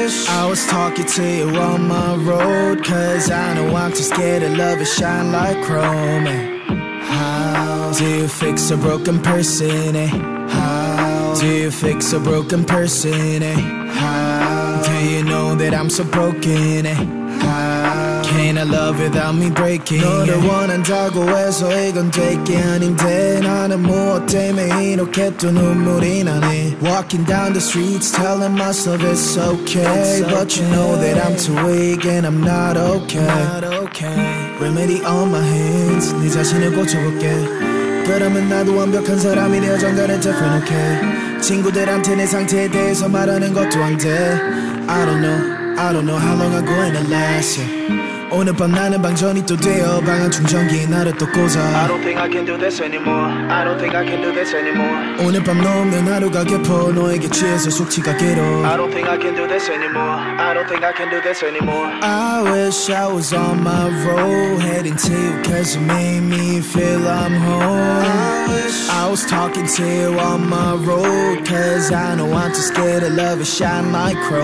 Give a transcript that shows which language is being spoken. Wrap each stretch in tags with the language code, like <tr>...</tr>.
<en>I was talking to you on my road, cause I know I'm too scared of love, it shine like chrome. Do you fix a broken person, eh? How? Do you fix a broken person, eh? How? Do you know that I'm so broken, eh? How? Can I love without me breaking?</en> <ko>너를 원한다고 해서 이건 되게 아닌데 나는 무엇 때문에 이렇게 또 눈물이 나네.</ko> <en>Walking down the streets telling myself it's okay, it's but okay. You know that I'm too weak and I'm not okay, not okay. Remedy on my hands,</en> <ko>네 자신을 고쳐볼게. 그러면 나도 완벽한 사람이 되어 정단을 덮어 놓게. 친구들한테 내 상태에 대해서 말하는 것도 안 돼.</ko> <en>I don't know how long I'm gonna last, yeah.</en> <ko>오늘 밤 나는 방전이 또 되어 방안 충전기 나를 또 꽂아.</ko> <en>I don't think I can do this anymore, I don't think I can do this anymore.</en> <ko>오늘 밤 넘는 하루가 깊어 너에게 취해서 숙취가 길어.</ko> <en>I don't think I can do this anymore, I don't think I can do this anymore. I wish I was on my road, heading to you cause you made me feel I'm home. I was talking to you on my road, cause I know I'm too scared of love, it shine like chrome.</en>